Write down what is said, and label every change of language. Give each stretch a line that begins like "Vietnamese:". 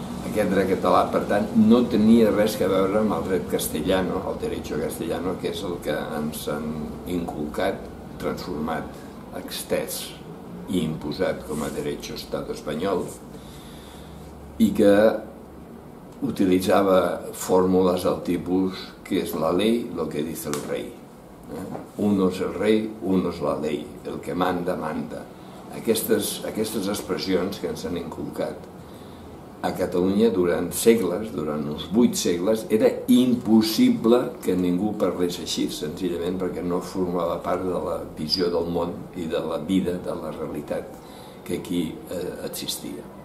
Catalan: Aquest dret català, per tant, no tenia res a veure amb el dret castellano,
Spanish: el derecho castellano,
Catalan: que és el que ens han inculcat, transformat, extès i imposat com a derecho estat espanyol, i que utilitzava fórmules del tipus que és
Spanish: la ley lo que dice el rey. Uno es el rey, uno es la ley, el que manda, manda.
Catalan: Aquestes expressions que ens han inculcat a Catalunya durant segles, durant uns 8 segles, era impossible que ningú parlés així, senzillament perquè no formava part de la visió del món i de la vida, de la realitat que aquí existia.